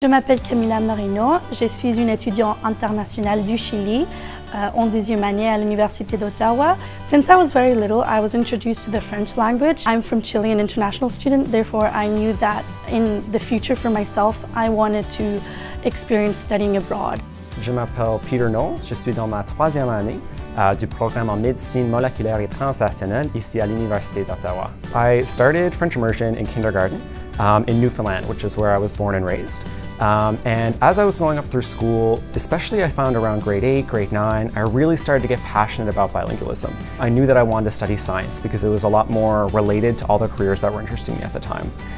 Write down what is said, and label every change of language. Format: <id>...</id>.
<fr>Je m'appelle Camila Marino, je suis une étudiante internationale du Chili en deuxième année à l'Université d'Ottawa.</fr> <en>Since I was very little, I was introduced to the French language. I'm from Chile, an international student, therefore I knew that in the future for myself, I wanted to experience studying abroad.</en> <fr>Je m'appelle Peter Noll, je suis dans ma troisième année du programme en médecine moléculaire et translationnelle ici à l'Université d'Ottawa.</fr> <en>I started French immersion in kindergarten. In Newfoundland, which is where I was born and raised. And as I was going up through school, especially I found around grade 8, grade 9, I really started to get passionate about bilingualism. I knew that I wanted to study science because it was a lot more related to all the careers that were interesting me at the time.</en>